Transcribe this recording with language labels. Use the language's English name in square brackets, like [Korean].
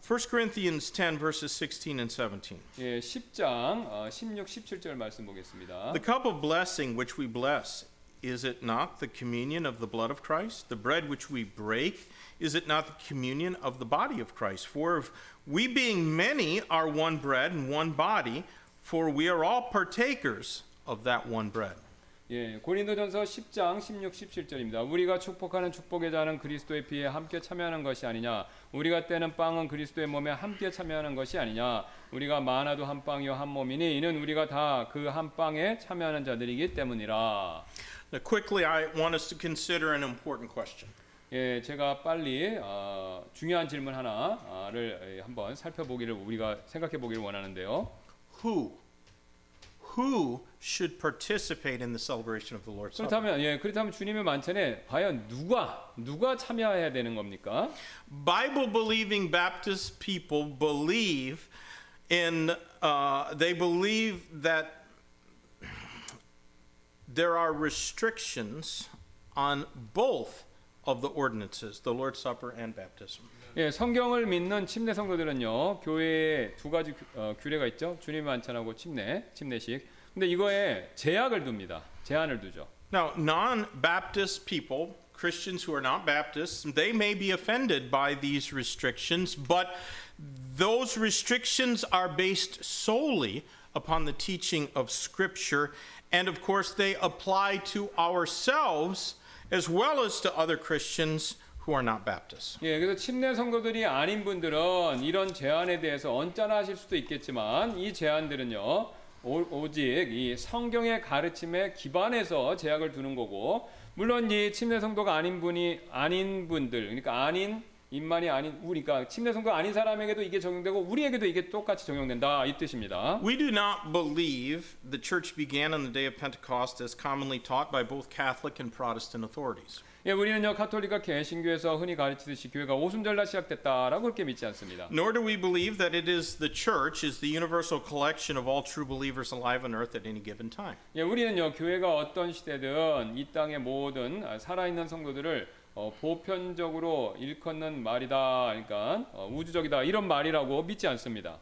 [English] 1 Corinthians 10 verses 16 and 17. [Korean] 예, 10장 16, 17절 말씀 보겠습니다. [English] The cup of blessing which we bless, is it not the communion of the blood of Christ? The bread which we break, is it not the communion of the body of Christ? For if we being many are one bread and one body, for we are all partakers of that one bread. [Korean] 예, 고린도전서 10장 16, 17절입니다. 우리가 축복하는 축복의 자는 그리스도의 피에 함께 참여하는 것이 아니냐? 우리가 떼는 빵은 그리스도의 몸에 함께 참여하는 것이 아니냐? 우리가 마나도 한 빵이요 한 몸이니 이는 우리가 다 그 한 빵에 참여하는 자들이기 때문이라. [English] Now quickly, I want us to consider an important question. [Korean] 예, 제가 빨리 중요한 질문 하나를 한번 살펴보기를 우리가 생각해 보기를 원하는데요. [English] Who? Who should participate in the celebration of the Lord's Supper? [Korean] 그렇다면, 예, 그렇다면 주님의 만찬에 과연 누가 참여해야 되는 겁니까? [English] Bible-believing Baptist people believe in, they believe that there are restrictions on both of the ordinances, the Lord's Supper and baptism. [Korean] 예, 성경을 믿는 침례 성도들은요, 교회에 두 가지 규례가 있죠. 주님의 만찬하고 침례식. 근데 이거에 제약을 둡니다. 제한을 두죠. [English] Now, non-Baptist people, Christians who are not Baptists, they may be offended by these restrictions, but those restrictions are based solely upon the teaching of Scripture, and of course they apply to ourselves as well as to other Christians. Who are not Baptists. [Korean] 예, 그래서 침례 성도들이 아닌 분들은 이런 제안에 대해서 언짢아하실 수도 있겠지만 이 제안들은요 오직 이 성경의 가르침에 기반해서 제약을 두는 거고 물론 이 침례 성도가 아닌 분들 그러니까 아닌 인만이 아닌 우리가 침례 성도 아닌 사람에게도 이게 적용되고 우리에게도 이게 똑같이 적용된다 이 뜻입니다. [English] We do not believe the church began on the day of Pentecost as commonly taught by both Catholic and Protestant authorities. [Korean] 예, 우리는요 가톨릭과 개신교에서 흔히 가르치듯이 교회가 오순절날 시작됐다라고 그렇게 믿지 않습니다. [English] Nor do we believe that it is the church is the universal collection of all true believers alive on earth at any given time. [Korean] 예, 우리는요 교회가 어떤 시대든 이 땅의 모든 살아있는 성도들을 보편적으로 일컫는 말이다, 그러니까 우주적이다 이런 말이라고 믿지 않습니다.